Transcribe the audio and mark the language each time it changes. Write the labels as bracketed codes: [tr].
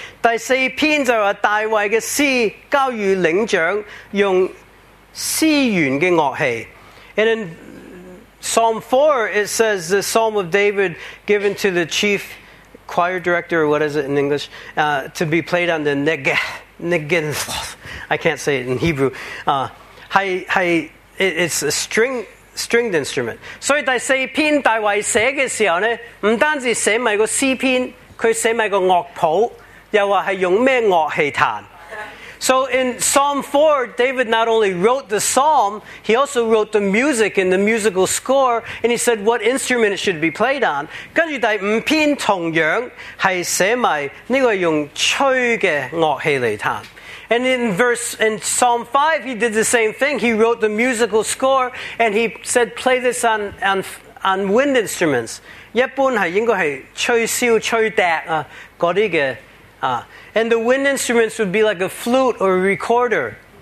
[yue] 第四篇就是大卫的诗交予领长用丝弦的乐器。 [en] And in Psalm 4, it says the Psalm of David given to the chief choir director, or what is it in English, to be played on the neginth. I can't say it in Hebrew. It's a stringed instrument. [yue] 所以第四篇大卫写的时候呢，唔单止写埋个诗篇，佢写埋个乐谱，又话系用咩乐器弹。 [en] So in Psalm 4, David not only wrote the psalm, he also wrote the music and the musical score, and he said what instrument it should be played on. [yue] 跟住第五篇同样系写埋呢个用吹嘅乐器嚟弹。 [en] And in Psalm 5, he did the same thing. He wrote the musical score, and he said, play this on wind instruments. [yue] 一般是应该是吹箫、吹笛啊，嗰啲嘅啊。 [en] And the wind instruments would be like a flute or a recorder.